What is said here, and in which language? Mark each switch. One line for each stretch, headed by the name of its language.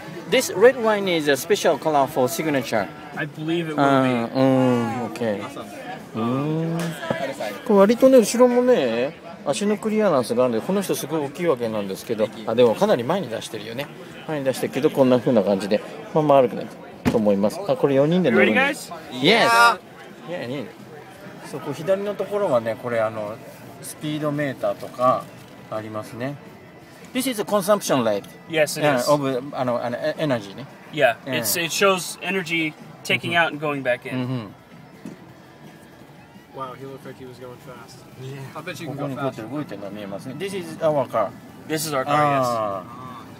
English: This red wine is a special color for signature. I believe it will be. Okay. Awesome.
Japanese: これ割とね後ろもね足のクリアランスがあるんで、この人すごい大きいわけなんですけど、あでもかなり前に出してるよね、前に出してるけど、こんな風な感じでまあまあ悪くないと思います。あこれ4人で乗るんです。
English: Yes、 yeah.
Japanese: そこ左のところはね、これあのスピードメーターとかありますね。
English: This is a consumption rate. Yes, it is. Of あの energy ね。 Yeah, it's, it shows energy taking out and going back in. Wow, he looked like he was going fast. Yeah. I bet you can go faster. This is our car. This is our car, yes.